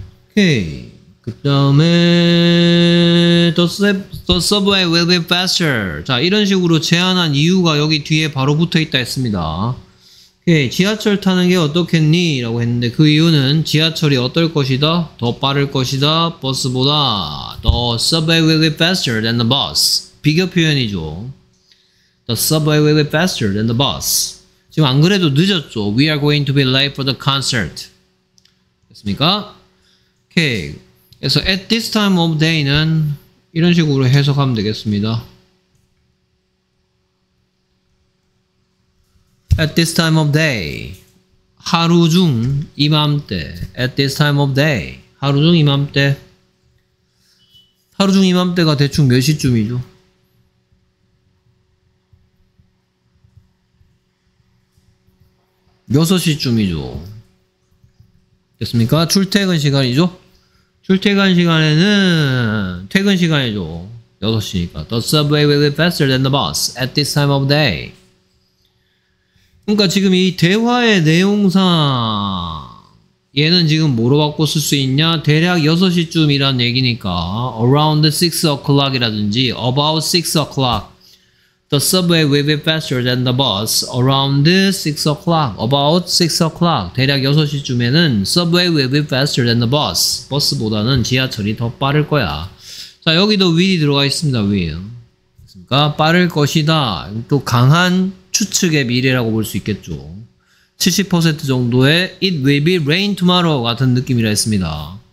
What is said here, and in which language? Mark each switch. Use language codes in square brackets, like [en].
[en] 오케이. [ko] 그 다음에 [en] the subway will be faster. [ko] 자, 이런 식으로 제안한 이유가 여기 뒤에 바로 붙어 있다 했습니다. 오케이. 지하철 타는 게 어떻겠니? 라고 했는데 그 이유는 지하철이 어떨 것이다? 더 빠를 것이다? 버스보다? [en] the subway will be faster than the bus. [ko] 비교 표현이죠. [en] The subway will be faster than the bus. [ko] 지금 안 그래도 늦었죠. [en] We are going to be late for the concert. [ko] 됐습니까? Okay. 그래서 [en] at this time of day [ko] 는 이런 식으로 해석하면 되겠습니다. [en] At this time of day. [ko] 하루 중 이맘때. [en] At this time of day. [ko] 하루 중 이맘때. 하루 중 이맘때가 대충 몇 시쯤이죠? 6시쯤이죠. 됐습니까? 출퇴근 시간이죠? 출퇴근 시간에는 퇴근 시간이죠. 6시니까. [en] The subway will be faster than the bus at this time of day. [ko] 그러니까 지금 이 대화의 내용상 얘는 지금 뭐로 바꿔 쓸 수 있냐? 대략 6시쯤이란 얘기니까 [en] around 6 o'clock [ko] 이라든지 [en] about 6 o'clock. The subway will be faster than the bus around 6 o'clock, about 6 o'clock. [ko] 대략 6시쯤에는 [en] subway will be faster than the bus. [ko] 버스보다는 지하철이 더 빠를 거야. 자, 여기도 will이 들어가 있습니다. will. 그러니까 빠를 것이다. 또 강한 추측의 미래라고 볼 수 있겠죠. 70% 정도의 [en] it will be rain tomorrow [ko] 같은 느낌이라 했습니다.